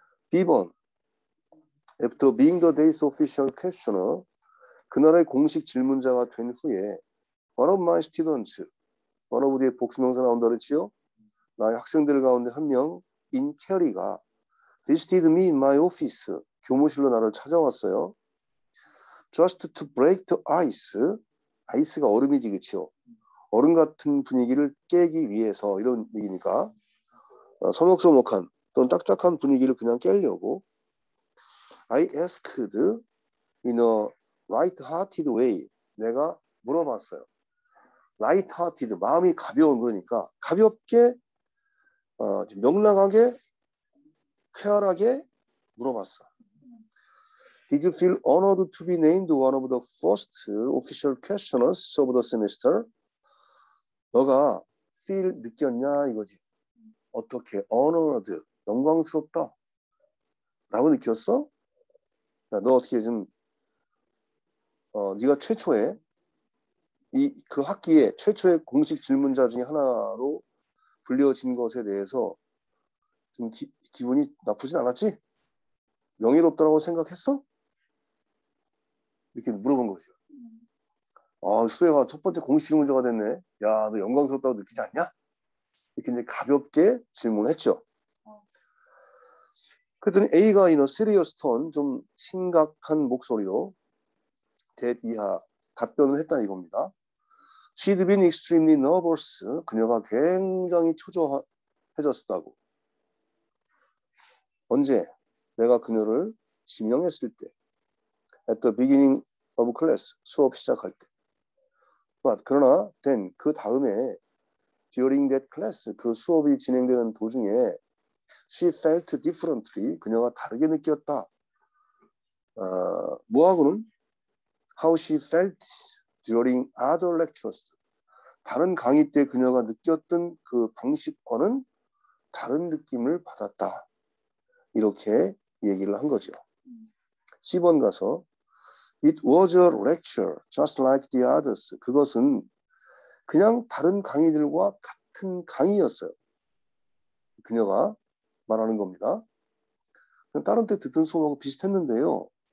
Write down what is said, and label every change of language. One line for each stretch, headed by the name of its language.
Korean: B번
English: After being the day's official questioner,
Korean: 그날의 공식 질문자가 된 후에
English: one of my students,
Korean: 어느 우리의 복수명사 나온다 그랬지요? 나의 학생들 가운데 한 명, 인 캐리가
English: visited me in my office,
Korean: 교무실로 나를 찾아왔어요.
English: Just to break the ice,
Korean: 아이스가 얼음이지, 그치요? 얼음 같은 분위기를 깨기 위해서, 이런 얘기니까 서먹서먹한 또는 딱딱한 분위기를 그냥 깨려고
English: I asked in a light-hearted way,
Korean: 내가 물어봤어요. Light-hearted, 마음이 가벼운 그러니까 가볍게 명랑하게 쾌활하게 물어봤어.
English: Did you feel honored to be named one of the first official questioners of the semester?
Korean: 너가 feel 느꼈냐 이거지. 어떻게 honored, 영광스럽다 라고 느꼈어? 야, 너 어떻게 좀 네가 최초에 이 그 학기에 최초의 공식 질문자 중에 하나로 불려진 것에 대해서 좀 기분이 나쁘진 않았지? 명예롭다고 생각했어? 이렇게 물어본 거죠. 아, 수혜가 첫 번째 공식 질문자가 됐네. 야, 너 영광스럽다고 느끼지 않냐? 이렇게 이제 가볍게 질문을 했죠. 그랬더니 A가
English: in a serious tone,
Korean: 좀 심각한 목소리로 that 이하 답변을 했다 이겁니다.
English: She'd been extremely nervous.
Korean: 그녀가 굉장히 초조해졌었다고. 언제? 내가 그녀를 지명했을 때.
English: At the beginning of class.
Korean: 수업 시작할 때.
English: But,
Korean: 그러나,
English: then,
Korean: 그 다음에,
English: during that class,
Korean: 그 수업이 진행되는 도중에,
English: she felt differently.
Korean: 그녀가 다르게 느꼈다. 뭐하고는?
English: How she felt during other lectures.
Korean: 다른 강의 때 그녀가 느꼈던 그 방식과는 다른 느낌을 받았다. 이렇게 얘기를 한 거죠. C번 가서
English: It was a lecture just like the others.
Korean: 그것은 그냥 다른 강의들과 같은 강의였어요. 그녀가 말하는 겁니다. 다른 때 듣던 수업하고 비슷했는데요.